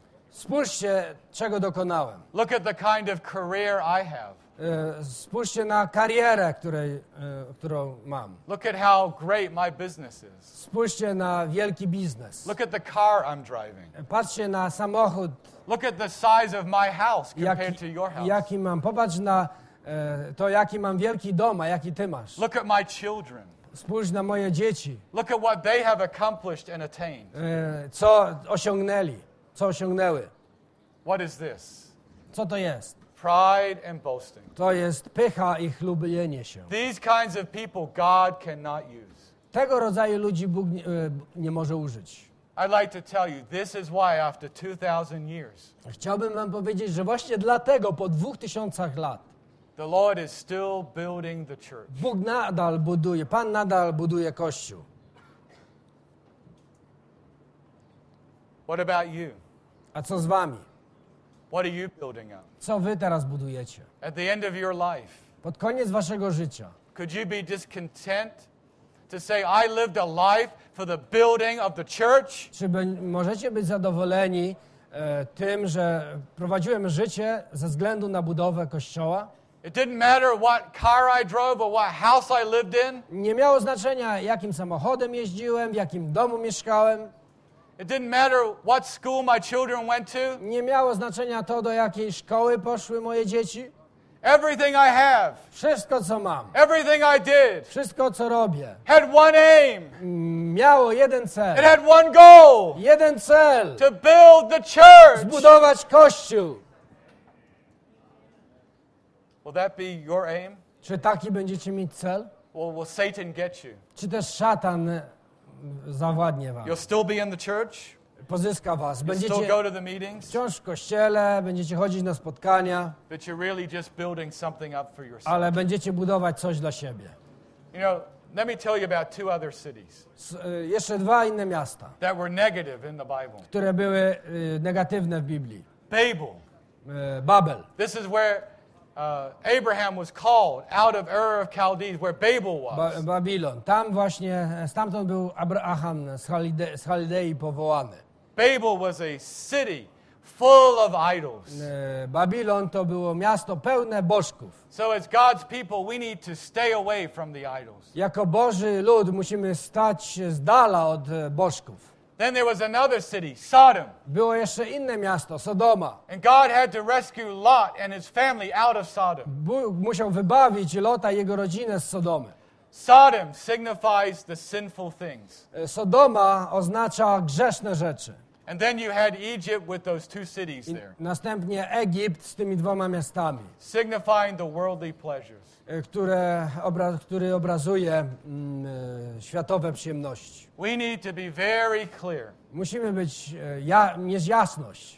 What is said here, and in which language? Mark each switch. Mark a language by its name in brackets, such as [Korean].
[Polish] Spójrzcie, czego dokonałem. [English] Look at the kind of career I have. [Polish] Spójrzcie na karierę, którą mam. [English] Look at how great my business is. [Polish] Spójrzcie na wielki biznes. [English] Look at the car I'm driving. [Polish] Patrzcie na samochód. [English] Look at the size of my house compared to your house. [Polish] Jaki mam? Popatrz na to, jaki mam wielki dom, a jaki ty masz. [English] Look at my children. [Polish] Spójrz na moje dzieci. [English] Look at what they have accomplished and attained. [Polish] Co osiągnęli? Co osiągnęły? [English] What is this? [Polish] Co to jest? [English] Pride and boasting. [Polish] To jest pycha i chlubienie się. [English] These kinds of people God cannot use. [Polish] Tego rodzaju ludzi Bóg nie może użyć. [English] I'd like to tell you, this is why after 2,000 years. [Polish] Chciałbym wam powiedzieć, że właśnie dlatego po 2000 lat. [English] The Lord is still building the church. [Polish] Bóg nadal buduje, Pan nadal buduje Kościół. [English] What about you? [Polish] A co z wami? [English] What are you building up? [Polish] Co wy teraz budujecie? [English] At the end of your life. [Polish] Pod koniec waszego życia. [English] Could you be discontent to say I lived a life for the building of the church? [Polish] Czy możecie być zadowoleni tym, że prowadziłem życie ze względu na budowę kościoła? [English] It didn't matter what car I drove or what house I lived in. [Polish] Nie miało znaczenia, jakim samochodem jeździłem, w jakim domu mieszkałem. [English] It didn't matter what school my children went to. [Polish] Nie miało znaczenia to, do jakiej szkoły poszły moje dzieci. [English] Everything I have. [Polish] Wszystko, co mam. [English] Everything I did. [Polish] Wszystko, co robię. [English] Had one aim. [Polish] Miało jeden cel. [English] It had one goal. [Polish] Jeden cel. [English] To build the church. [Polish] Zbudować Kościół. [English] Will that be your aim? [Polish] Czy taki będziecie mieć cel? [English] Or will Satan get you? [Polish] Czy też szatan zawładnie wam? [English] You'll still be in the church? [Polish] Pozyska was. Będziecie [English] still go to the meetings, [Polish] wciąż w kościele, będziecie chodzić na spotkania, [English] but you're really just building something up for yourself. [Polish] Ale będziecie budować coś dla siebie. [English] You know, let me tell you about two other cities. [Polish] Jeszcze dwa inne miasta, [English] that were negative in the Bible. [Polish] Które były negatywne w Biblii. [English] Babel. [Polish] Babel. [English] This is where Abraham was called out of Ur of Chaldees, where Babel was. Babylon. [Polish] Tam właśnie, stamtąd był Abraham z Chaldei powołany. [English] Babel was a city full of idols. [Polish] Babylon to było miasto pełne bożków. [English] So as God's people, we need to stay away from the idols. [Polish] Jako Boży lud musimy stać z dala od bożków. [English] Then there was another city, Sodom. [Polish] Było jeszcze inne miasto, Sodoma. [English] And God had to rescue Lot and his family out of Sodom. [Polish] Bóg musiał wybawić Lota i jego rodzinę z Sodomy. [English] Sodom signifies the sinful things. [Polish] Sodoma oznacza grzeszne rzeczy. [English] And then you had Egypt with those two cities there. [Polish] Następnie Egipt z tymi dwoma miastami. [English] Signifying the worldly pleasures. [Polish] Który obrazuje światowe przyjemności. [English] We need to be very clear. [Polish] Musimy być mieć jasność.